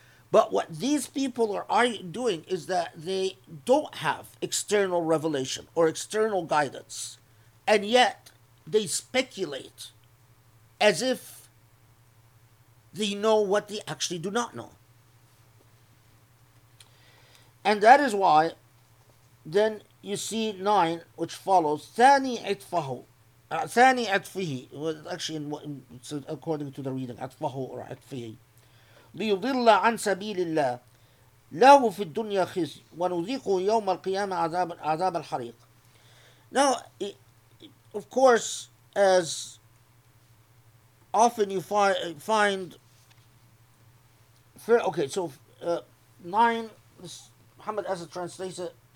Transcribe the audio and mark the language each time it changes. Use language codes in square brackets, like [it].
[en] But what these people are doing is that they don't have external revelation or external guidance, and yet they speculate as if they know what they actually do not know. And that is why, then you see 9, which follows, [ar] ثاني عطفه, according to the reading, عطفه or عطفه, ليضل عن سبيل الله, له في الدنيا خزي, ونذيقه يوم القيامة عذاب الحريق. [en] Now, of course, as often you find, okay, so 9, this Muhammad Asad translates it.